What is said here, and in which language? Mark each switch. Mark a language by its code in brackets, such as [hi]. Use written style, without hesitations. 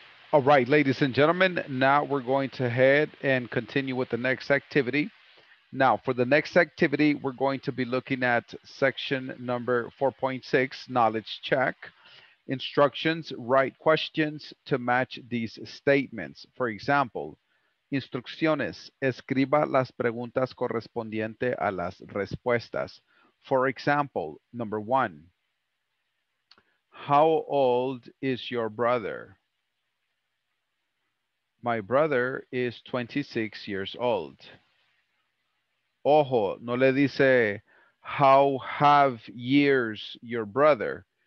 [en] All right, ladies and gentlemen, now we're going to head and continue with the next activity. Now, for the next activity, we're going to be looking at section number 4.6, knowledge check. Instructions, write questions to match these statements. For example, [es] instrucciones, escriba las preguntas correspondientes a las respuestas. [en] For example, number one, how old is your brother? My brother is 26 years old. [es] Ojo, no le dice, [en] how have years your brother?